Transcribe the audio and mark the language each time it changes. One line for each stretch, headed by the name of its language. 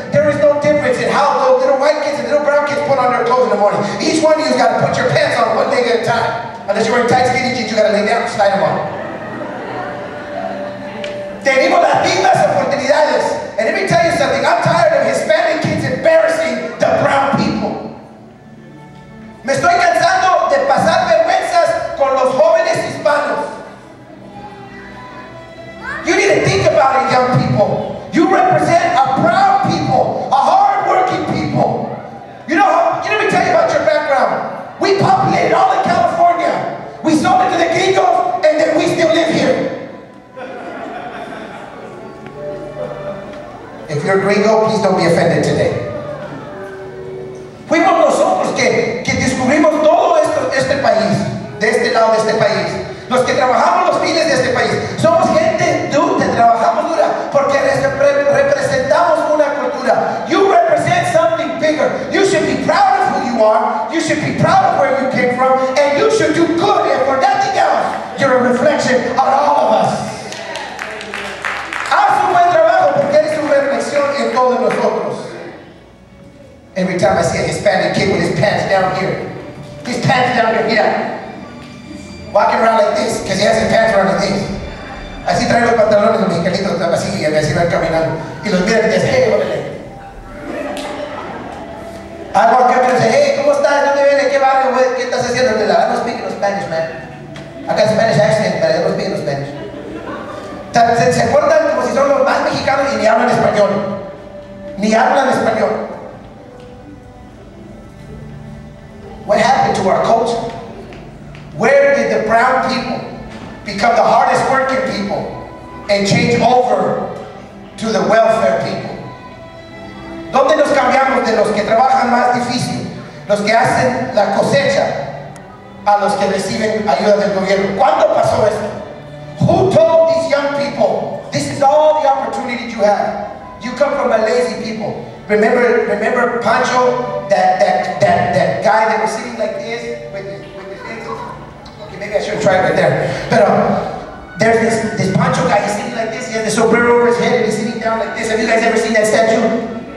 English: There is no difference in how those little white kids and little brown kids put on their clothes in the morning. Each one of you has got to put your pants on one leg at a time. Unless you're wearing tight skinny jeans, you got to lay down and slide them on.
Spanish: Tenemos las mismas oportunidades.
English: And let me tell you something. I'm tired of Hispanic kids embarrassing the brown people.
Spanish: Me estoy cansando de pasar vergüenzas con los jóvenes hispanos.
English: You need to think about it, young people. You represent a brown people, a hardworking people. Let me tell you about your background. We populated all of California. We sold it to the gringos, and then we still live here. If you're gringo, please don't be offended today.
Spanish: Fuimos nosotros que descubrimos todo este país, de este lado de este país. Los que trabajamos los fines de este país somos gente que trabajamos dura porque representamos una cultura.
English: You represent something bigger. You should be proud of who you are. You should be proud of where you came from. And you should do good. And for nothing else, you're a reflection on all of us.
Spanish: Haz un buen trabajo porque eres una reflexión en todos nosotros.
English: Every time I see a Hispanic kid with his pants down here, his pants down here, yeah. Walking around like this, because he has his pants around like this.
Spanish: Así trae los pantalones, los mexicanitos, así, y así van caminando. Y los mira y dice, hey, órale.
English: I walk up and say, hey,
Spanish: ¿cómo estás? ¿Dónde vienes? ¿Qué barrio? ¿Qué estás haciendo?
English: I don't speak in Spanish, man. I got Spanish accent, but I don't speak in Spanish.
Spanish: Se portan como si son los más mexicanos y ni hablan español. Ni hablan español.
English: What happened to our culture? Where did the brown people become the hardest working people and change over to the welfare people?
Spanish: ¿Dónde nos cambiamos de los que trabajan más difícil, los que hacen la cosecha, a los que reciben ayuda del gobierno? ¿Cuándo pasó esto?
English: Who told these young people, this is all the opportunity you have? You come from a lazy people. Remember Pancho, that guy that was sitting like this with his hands? Okay, maybe I should try it right there. But there's this Pancho guy, he's sitting like this, he has the sombrero over his head and he's sitting down like this. Have you guys ever seen that statue?